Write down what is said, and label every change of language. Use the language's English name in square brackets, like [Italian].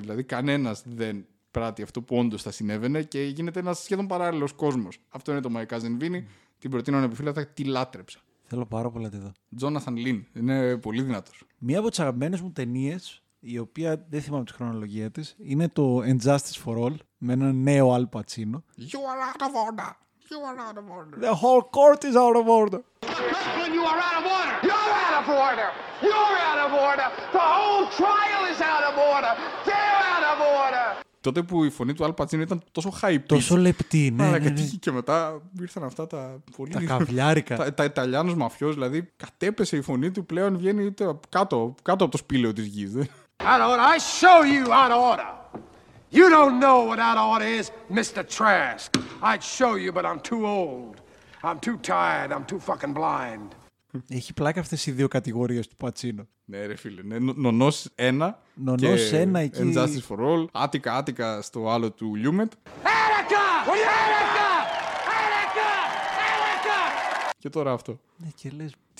[Greek] Δηλαδή, κανένας δεν πράττει αυτό που όντως θα συνέβαινε και γίνεται ένας σχεδόν παράλληλος κόσμος. Αυτό είναι το My Cousin Vinny. Την προτείνω ανεπιφύλακτα, τη λάτρεψα. Θέλω πάρα πολύ να τη δω. Jonathan Lynn. Είναι πολύ δυνατός. Μία από τις αγαπημένες μου ταινίες, η οποία δεν θυμάμαι τη χρονολογία της, είναι το Injustice for All με έναν νέο Al Pacino. [English] You are out of order. You are out of order. The whole court is out of order. You are out of order. You're out of order. You're out of order. The whole trial is out of order. They're out of order. [Greek] Τότε που η φωνή του Al Pacino ήταν τόσο hype. Τόσο λεπτή, ναι. Αλλά κατήχη και μετά ήρθαν αυτά τα πολύ. Τα καβλιάρικα. Τα Ιταλιάνος μαφιός, δηλαδή κατέπεσε η φωνή του, πλέον βγαίνει κάτω από το σπήλαιο της γης. [English] Out of order, I show you out of order. You don't know what out of order is, Mr. Trask. I'd show you, but I'm too old. I'm too tired, I'm too fucking blind. [Greek] Έχει πλάκα αυτές οι δύο κατηγορίες του Πατσίνο. Ναι, ρε φίλε. Ναι. Νονός ένα. Νονός ένα εκεί. Injustice for All. Άτικα, άτικα στο άλλο του Λιούμετ. Έρακα! Έρακα! Έρακα! Έρακα! Και τώρα αυτό. Ναι, και λες.